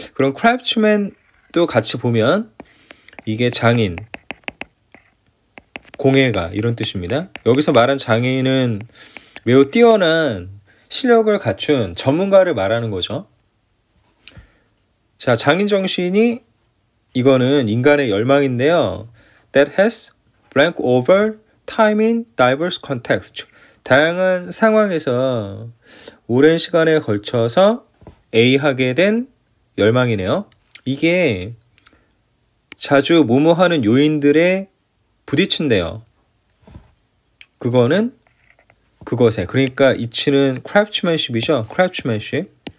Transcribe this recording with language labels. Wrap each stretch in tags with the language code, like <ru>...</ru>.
<ko>그럼 크래프트맨도 같이 보면 이게 장인, 공예가 이런 뜻입니다. 여기서 말한 장인은 매우 뛰어난 실력을 갖춘 전문가를 말하는 거죠. 자, 장인정신이 이거는 인간의 열망인데요.</ko> <en>That has blank over time in diverse context.</en> <ko>다양한 상황에서 오랜 시간에 걸쳐서 A하게 된 열망이네요. 이게 자주 모모하는 요인들에 부딪힌대요. 그거는 그것에. 그러니까 이치는 크래프트맨십이죠. 크래프트맨십.</ko>